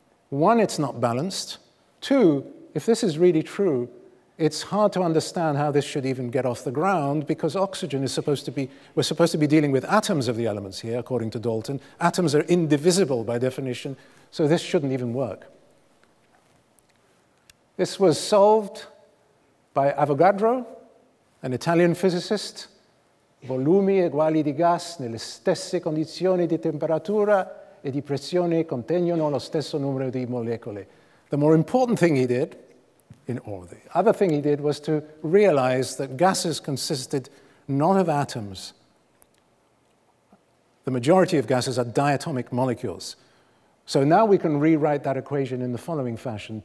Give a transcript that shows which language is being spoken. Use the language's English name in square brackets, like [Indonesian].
[English] One, it's not balanced. Two, if this is really true, it's hard to understand how this should even get off the ground, because oxygen is supposed to be, we're supposed to be dealing with atoms of the elements here, according to Dalton. Atoms are indivisible by definition, so this shouldn't even work. This was solved by Avogadro, an Italian physicist. [Italian] Volumi uguali di gas nelle stesse condizioni di temperatura e di pressione contengono lo stesso numero di molecole. [English] The more important thing he did, or the other thing he did, was to realize that gases consisted not of atoms. The majority of gases are diatomic molecules. So now we can rewrite that equation in the following fashion.